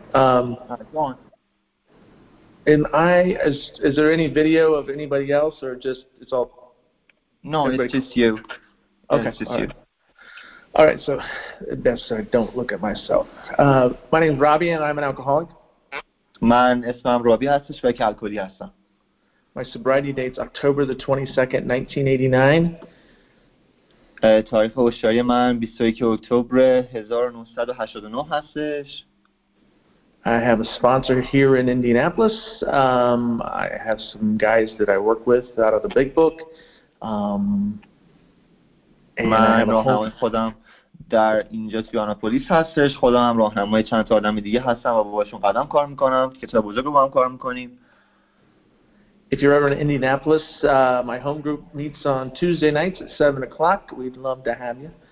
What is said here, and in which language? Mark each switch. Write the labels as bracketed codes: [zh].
[en] Go on. And is there any video of anybody else or just it's all? No, everybody? It's just you. Okay. Yeah, all right. So, best I don't look at myself. My name is Robbie, and I'm an alcoholic. [fa] Man, اسمم رابی هستش و یک الکلی هستم. [en] My sobriety date's October 22nd, 1989. [fa] تاریخ هوشیاری من 21 اکتبر 1989 هستش. [en] I have a sponsor here in Indianapolis. I have some guys that I work with out of the Big Book. [fa] من راهنمای خودم در اینجا توی آناپولیس هستش. خودم هم راهنمای چند تا آدم دیگه هستم و باهاشون قدم کار میکنم. کتاب بزرگ رو با هم کار میکنیم. [en] If you're ever in Indianapolis, my home group meets on Tuesday nights at 7 o'clock. We'd love to have you.